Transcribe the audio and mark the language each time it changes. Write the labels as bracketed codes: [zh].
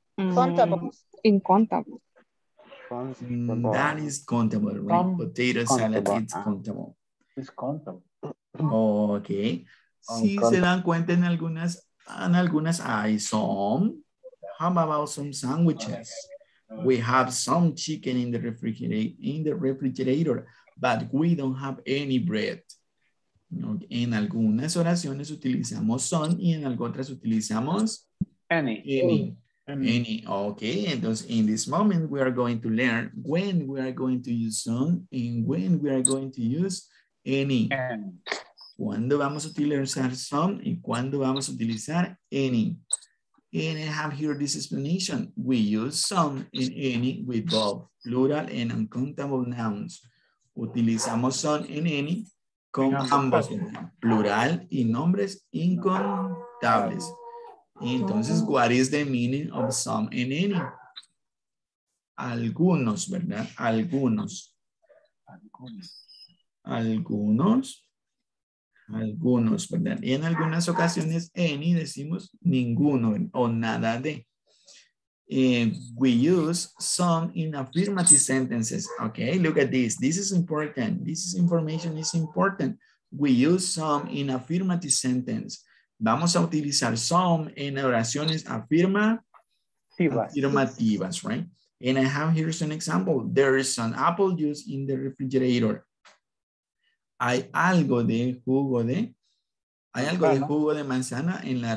[es] Contable. Incontable. [en] That is countable, right? Potato salad is countable. It's countable. Okay. [es] Si se dan cuenta en algunas hay some. [en] How about some sandwiches? We have some chicken in the refrigerator, but we don't have any bread. [es] En algunas oraciones utilizamos some y en otras utilizamos [en] any. Any. Okay, entonces in this moment we are going to learn when we are going to use some and when we are going to use any. [es] ¿Cuándo vamos a utilizar some y cuándo vamos a utilizar any? [en] And I have here this explanation. We use some and any with both plural and uncountable nouns. [es] Utilizamos some and any con ambos, plural y nombres incontables. [en] Entonces, what is the meaning of some and any? [es] Algunos, ¿verdad? Algunos. Algunos. Algunos, ¿verdad? Y en algunas ocasiones, any, decimos ninguno o nada de. [en] We use some in affirmative sentences. Okay, look at this. This is important. This is information is important. We use some in affirmative sentence. [es] Vamos a utilizar some en oraciones afirmativas, right? [en] And I have here some example. There is some apple juice in the refrigerator. [es] Hay algo de jugo de manzana en la